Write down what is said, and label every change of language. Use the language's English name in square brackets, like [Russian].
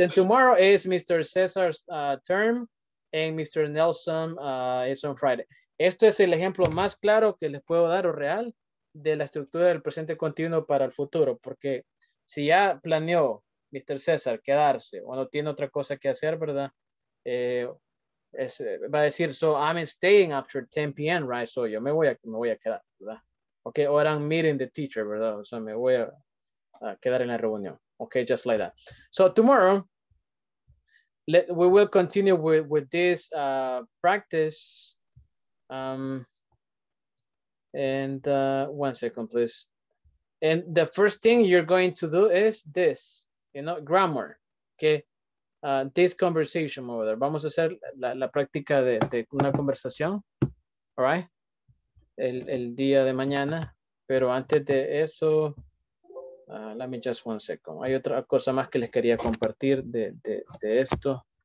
[English] And tomorrow is Mr. Cesar's term and Mr. Nelson is on Friday. [Spanish] Esto es el ejemplo más claro que les puedo dar o real de la estructura del presente continuo para el futuro. Porque si ya planeó Mr. Cesar quedarse o no tiene otra cosa que hacer, ¿verdad? Va a decir, [English] so I'm staying after 10 p.m., right? [Spanish] So yo me voy a quedar, ¿verdad? Okay, [English] or I'm meeting the teacher, [Spanish] ¿verdad? So me voy a quedar en la reunión. [English] Okay, just like that. So tomorrow, we will continue with this practice. And one second, please. And the first thing you're going to do is this, you know, grammar, okay? This conversation over there. [Spanish] Vamos a hacer la práctica de una conversación, [English] all right? [Spanish] El día de mañana. Pero antes de eso, [English] let me just one second. [Spanish] Hay otra cosa más que les quería compartir de esto.